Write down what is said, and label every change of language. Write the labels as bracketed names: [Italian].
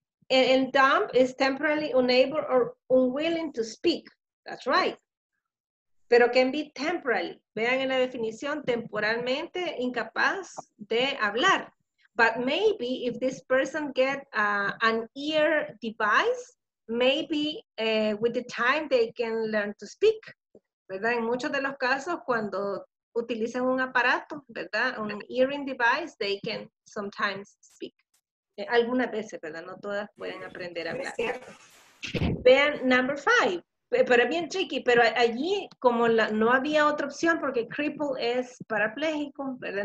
[English] And dumb is temporarily unable or unwilling to speak. That's right. [Spanish] pero [English] can be temporary. [Spanish] Vean en la definición, temporalmente incapaz de hablar. [English] But maybe if this person get an ear device, maybe with the time they can learn to speak. [Spanish] ¿Verdad? En muchos de los casos, cuando utilizan un aparato, ¿verdad? [English] Un hearing device, they can sometimes speak. [Spanish] Algunas veces, ¿verdad? No todas pueden aprender a hablar. Vean, [English] number five. [Spanish] Pero es bien tricky, pero allí, como la, no había otra opción, porque cripple es parapléjico, ¿verdad?